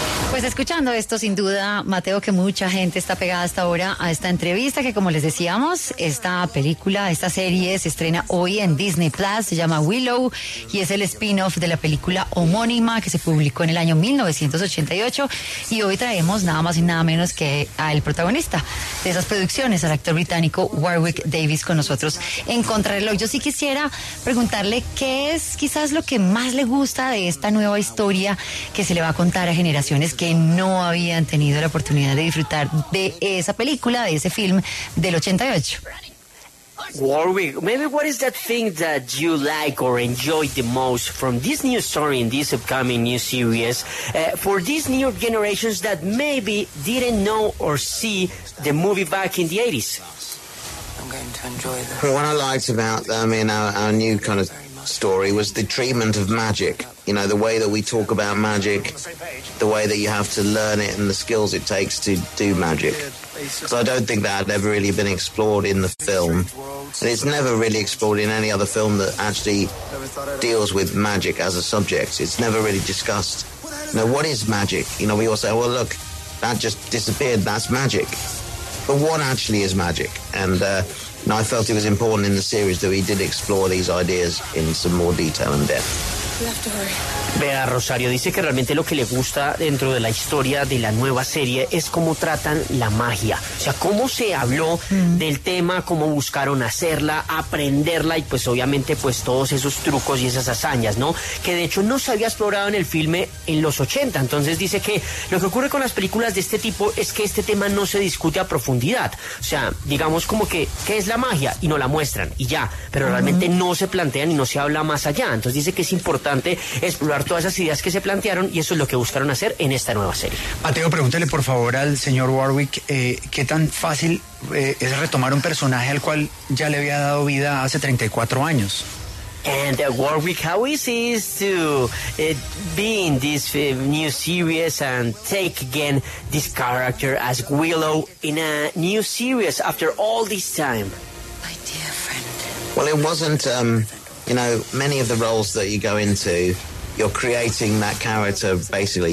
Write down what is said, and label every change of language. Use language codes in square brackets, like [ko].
[es] Pues escuchando esto, sin duda, Mateo, que mucha gente está pegada hasta ahora a esta entrevista, que como les decíamos, esta película, esta serie se estrena hoy en Disney Plus, se llama Willow y es el spin-off de la película homónima que se publicó en el año 1988, y hoy traemos nada más y nada menos que al protagonista de esas producciones, al actor británico Warwick Davis, con nosotros en Contrarreloj. Yo sí quisiera preguntarle qué es quizás lo que más le gusta de esta nueva historia que se le va a contar a generaciones que no habían tenido la oportunidad de disfrutar de esa película, de ese film del 88. [en] Warwick, maybe what is that thing that you like or enjoy the most from this new story in this upcoming new series for these new generations that maybe didn't know or see the movie back in the 80s? I'm going to enjoy this. What I liked about our new kind of story was the treatment of magic. You know, the way that we talk about magic, the way that you have to learn it and the skills it takes to do magic. So I don't think that had ever really been explored in the film. And it's never really explored in any other film that actually deals with magic as a subject. It's never really discussed. Now, what is magic? You know, we all say, well, look, that just disappeared. That's magic. But what actually is magic? And you know, I felt it was important in the series that we did explore these ideas in some more detail and depth. [es] Vea, Rosario dice que realmente lo que le gusta dentro de la historia de la nueva serie es cómo tratan la magia. O sea, cómo se habló del tema, cómo buscaron hacerla, aprenderla y pues obviamente pues todos esos trucos y esas hazañas, ¿no? Que de hecho no se había explorado en el filme en los 80. Entonces dice que lo que ocurre con las películas de este tipo es que este tema no se discute a profundidad. O sea, digamos como que, ¿qué es la magia? Y no la muestran y ya. Pero realmente no se plantean y no se habla más allá. Entonces dice que es importante explorar todas esas ideas que se plantearon y eso es lo que buscaron hacer en esta nueva serie. Mateo, pregúntele por favor al señor Warwick qué tan fácil es retomar un personaje al cual ya le había dado vida hace 34 años. [en] And Warwick, how easy is to be in this new series and take again this character as Willow in a new series after all this time? My dear friend. Well, it wasn't... You know, many of the roles that you go into, you're creating that character, basically.